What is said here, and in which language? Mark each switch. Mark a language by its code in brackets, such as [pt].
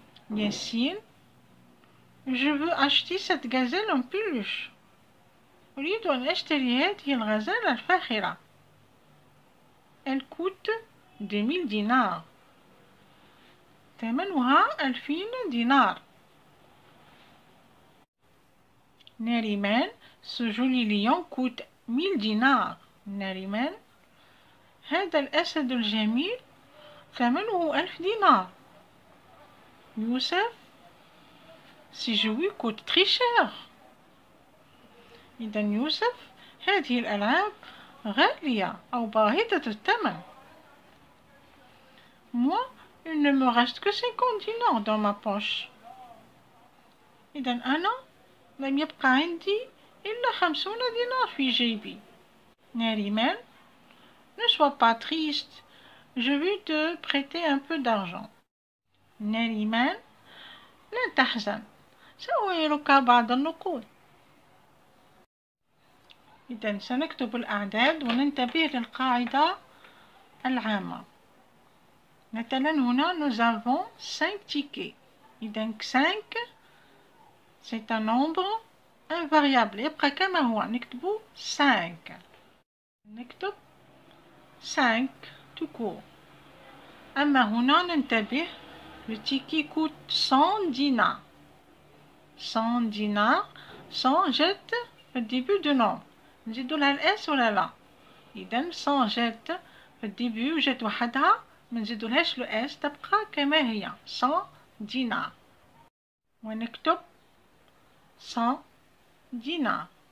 [fr] Yassine, je veux acheter cette gazelle en peluche. [ar] أريد أن أشتري هذه الغزالة الفاخرة. [fr] Elle coûte 2000 دينار. [ar] ثمنها 2000 دينار. [fr] ناريمان، ce joli lion coûte 1000 دينار. [ar] ناريمان، هذا الأسد الجميل ثمنه 1000 دينار. [fr] يوسف، ce jouet coûte très cher. [ar] إذا يوسف هذه الألعاب غالية أو باهظة الثمن. [fr] Moi, il ne me reste que 50 dinars dans ma poche. [ar] إذا أنا لم يبقى عندي إلا 50 دينار في جيبي. [fr] ناريمان, ne sois pas triste, je vais te prêter un peu d'argent. [ar] ناريمان, لا تحزن, سأعيرك بعض النقود. إذن سنكتب الأعداد وننتبه للقاعدة العامة. مثلا هنا [fr] nous avons 5 tickets. إذن 5 c'est un nombre invariable. [ar] يبقى كما هو نكتب 5. نكتب [fr] 5 tout court. [ar] أما هنا ننتبه [fr] le ticket coûte 100 dinars. 100 dinars 100 jette le début du nombre. [ar] نزيدو لها الاس ولا لا اذا 100 جات في الديبي وجات وحدها ما نزيدولهاش لو اس، تبقى كما هي 100 دينار، ونكتب 100 دينار.